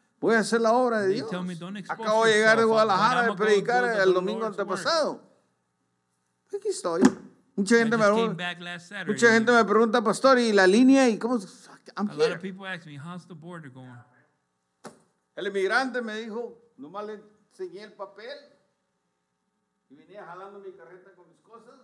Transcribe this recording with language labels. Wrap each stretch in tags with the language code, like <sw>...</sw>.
<es>Voy a hacer la obra de Dios. Me, acabo de llegar de Guadalajara a predicar el domingo antepasado. Aquí estoy. Mucha gente me pregunta. Mucha gente me pregunta, pastor, ¿y la línea? ¿Y cómo?</es> <en>I'm here. A lot of people ask me, how's the border going?</en> <es>El inmigrante me dijo, nomás le enseñé el papel y venía jalando mi carreta con mis cosas.</es>